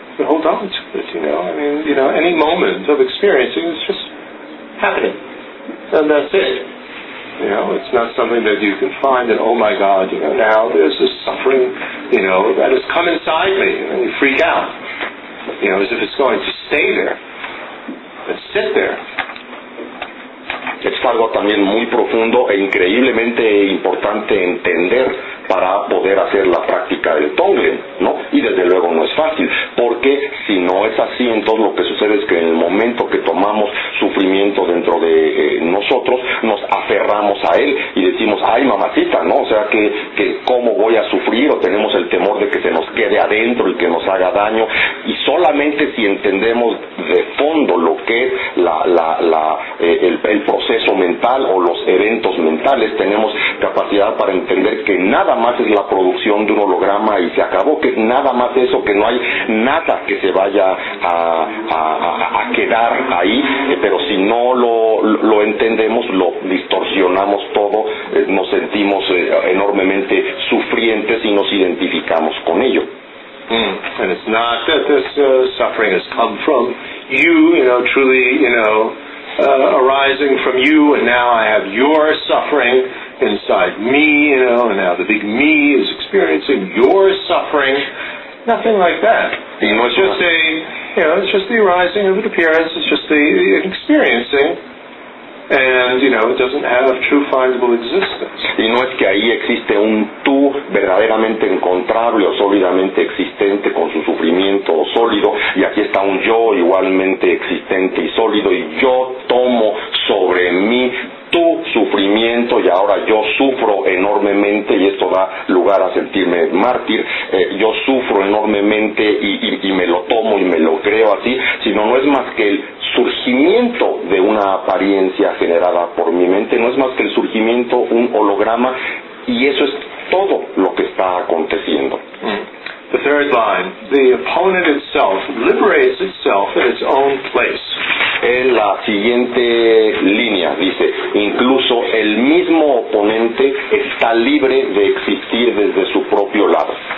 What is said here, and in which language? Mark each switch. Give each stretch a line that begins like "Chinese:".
English: We hold on to it, any moment of experiencing is just happening. And that's it. It's not something that you can find that, oh my God, now there's this suffering, that has come inside me, and you freak out. As if it's going to stay there and sit there.
Spanish: Es algo también muy profundo e increíblemente importante entender para poder hacer la práctica del Tonglen, ¿no? Y desde luego no es fácil, porque si no es así, entonces lo que sucede es que en el momento que tomamos sufrimiento dentro de nosotros, nos aferramos a él y decimos, ¡ay mamacita!, ¿no? O sea, que ¿cómo voy a sufrir? O tenemos el temor de que se nos quede adentro y que nos haga daño. Y solamente si entendemos de fondo lo que es el proceso mental o los eventos mentales, tenemos capacidad para entender que nada más es la producción de un holograma y se acabó, que nada más eso, que no hay nada que se vaya a quedar ahí, pero si no lo entendemos, lo distorsionamos todo, nos sentimos enormemente sufrientes y nos identificamos con ello.
English: And it's not that this suffering has come from you, truly, arising from you, and now I have your suffering inside me, and now the big me is experiencing your suffering. Nothing like that. It's just it's just the arising of an appearance, it's just the experiencing. And, it doesn't have a true findable existence.
Spanish: Y no es que ahí existe un tú verdaderamente encontrable o sólidamente existente con su sufrimiento sólido, y aquí está un yo igualmente existente y sólido, y yo tomo sobre mí tu sufrimiento, y ahora yo sufro enormemente, y esto da lugar a sentirme mártir, yo sufro enormemente y me lo tomo y me lo creo así, sino no es más que el surgimiento de una apariencia generada por mi mente, no es más que el surgimiento, un holograma, y eso es todo lo que está aconteciendo.
English: The third line, the opponent itself liberates itself in its own place.
Spanish: En la siguiente línea dice, incluso el mismo oponente está libre de existir desde su propio lado.